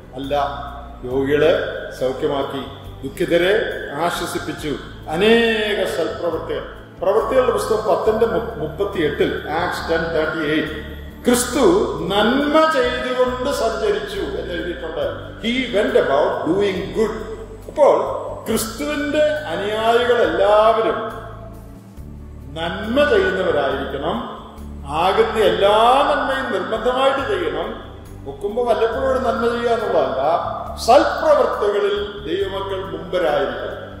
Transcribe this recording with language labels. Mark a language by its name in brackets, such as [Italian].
[Malayalam] അല്ല, രോഗികളെ സൗഖ്യമാക്കി, ദുഃഖിതരെ ആശ്വസിപ്പിച്ചു, അനേക സൽപ്രവൃത്തികൾ. പ്രവൃത്തികളുടെ പുസ്തകം 10:38 Acts 10:38 ക്രിസ്തു നന്മ ചെയ്തുകൊണ്ട് സഞ്ചരിച്ചു എന്ന് എഴുതിയിട്ടുണ്ട്. [English] He went about doing good. [Malayalam] അപ്പോൾ ക്രിസ്തുവിന്റെ അനുയായികളെല്ലാവരും നന്മ ചെയ്യുന്നവരായിരിക്കണം. ആകുന്ന എല്ലാ നന്മയും നിർബന്ധമായിട്ട് ചെയ്യണം. ഒക്കുമ്പോ വല്ലപ്പോഴും ഒരു നന്മ ചെയ്യുക എന്നുള്ളതല്ല, സൽപ്രവൃത്തികളിൽ ദൈവമക്കൾ മുമ്പരായിരിക്കണം.